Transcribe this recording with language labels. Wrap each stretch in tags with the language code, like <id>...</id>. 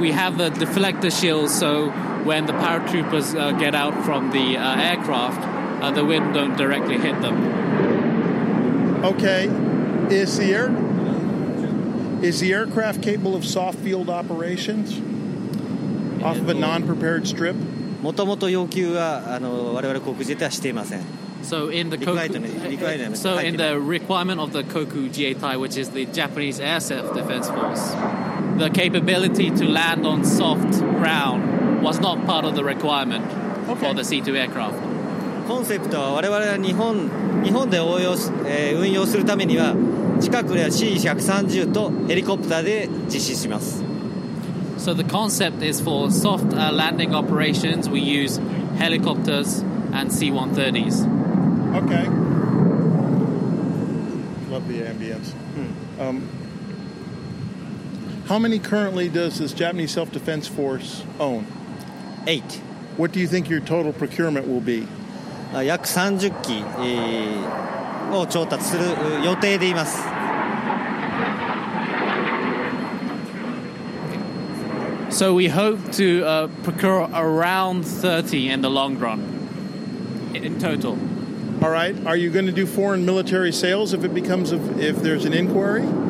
<en>We have the deflector shields, so when the paratroopers get out from the aircraft, the wind don't directly hit them. Okay. Is the aircraft capable of soft field operations off of a non-prepared strip?</en> <ja>もともと要求は我々航空自衛隊はしていません。</ja> <en>So in the requirement of the Koku Jiaitai, which is the Japanese Air Defense Force, the capability to land on soft ground was not part of the requirement for the C2 aircraft.</en> <ja>コンセプトは我々は日本で応用し、運用するためには近くでは C-130 とヘリコプターで実施します。</ja> <en>So the concept is for soft landing operations, we use helicopters and C-130s. Okay. Love the ambience. How many currently does this Japanese Self-Defense Force own? 8. What do you think your total procurement will be?</en> <ja>約30機を調達する予定でいます。</ja> <en>So we hope to procure around 30 in the long run, in total. All right. Are you going to do foreign military sales if it becomes if there's an inquiry?</en>